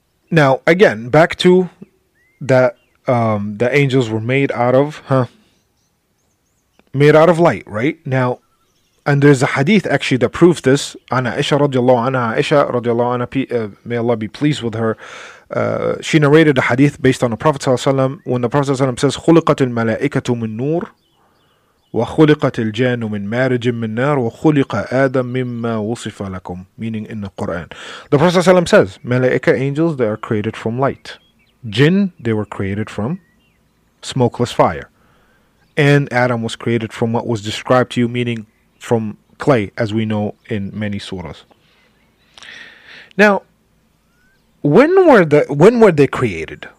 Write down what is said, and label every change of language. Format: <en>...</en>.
<en>Now, again, back to that the angels were made out of, made out of light, right? Now, and there's a hadith actually that proves this. Aisha radiallahu anha, may Allah be pleased with her. She narrated a hadith based on the Prophet ﷺ, when the Prophet ﷺ says,</en> <ar>خُلِقَتِ الْمَلَائِكَةُ مِنْ نُورٍ وَخُلِقَتِ الْجَانُ مِنْ مَارِجٍ مِنْ نَارٍ وَخُلِقَ آدَمٍ مِمَّا وُصِفَ لَكُمْ,</ar> <en>meaning in the Quran. The Prophet ﷺ says, Malaika, angels, they are created from light. Jinn, they were created from smokeless fire. And Adam was created from what was described to you, meaning from clay, as we know in many surahs. Now, when were they created?</en>